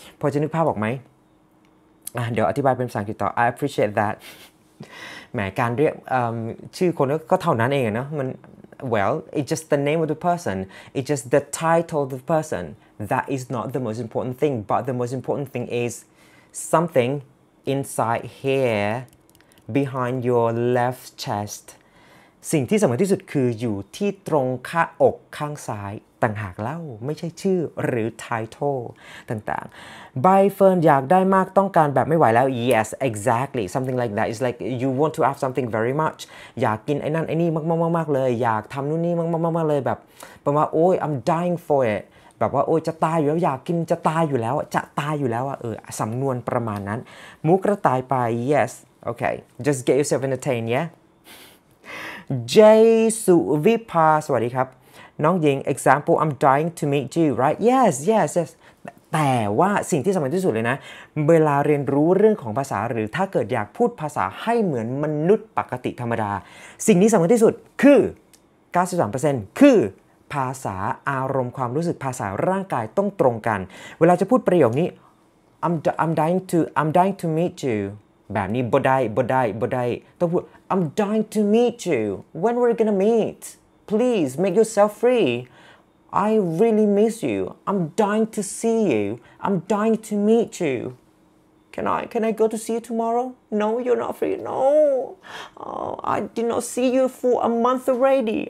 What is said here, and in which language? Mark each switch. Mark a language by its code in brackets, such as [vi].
[th] พอจะนึกภาพออกไหมเดี๋ยวอธิบายเป็นภาษาอังกฤษต่อ [en] I appreciate that. [th] แหมการเรียกชื่อคนก็เท่านั้นเองนะมัน [en] Well, it's just the name of the person. It's just the title of the person. That is not the most important thing, but the most important thing is something inside here, behind your left chest. [th] สิ่งที่สำคัญที่สุดคืออยู่ที่ตรงข้างอกข้างซ้ายต่างหากแล้วไม่ใช่ชื่อหรือ title ต่างๆ ใบเฟิร์นอยากได้มากต้องการแบบไม่ไหวแล้ว [en] Yes, exactly. Something like that. It's like you want to have something very much. [th] อยากกินไอ้นั่นไอ้นี่มากๆๆเลยอยากทำนู่นนี่มากๆๆเลยแบบประมาณโอ้ย [en] I'm dying for it. [th] แบบว่าโอ้ยจะตายอยู่แล้วอยากกินจะตายอยู่แล้วจะตายอยู่แล้วสำนวนประมาณนั้นมูกระต่ายไป [en] yes okay just get yourself entertained yeah [th] Jay สุวิภาสวัสดีครับน้องหญิง [en] example I'm dying to meet you right yes yes [th] yes แต่ว่าสิ่งที่สำคัญที่สุดเลยนะเวลาเรียนรู้เรื่องของภาษาหรือถ้าเกิดอยากพูดภาษาให้เหมือนมนุษย์ปกติธรรมดาสิ่งนี้สำคัญที่สุดคือ 93% คือภาษาอารมณ์ความรู้สึกภาษาร่างกายต้องตรงกันเวลาจะพูดประโยคนี้ [en] I'm dying to meet you [th] แบบนี้บ่ได้ต้องพูด [en] I'm dying to meet you when we're gonna meet please make yourself free I really miss you I'm dying to see you I'm dying to meet youCan I go to see you tomorrow? No, you're not free. No. Oh, I did not see you for a month already.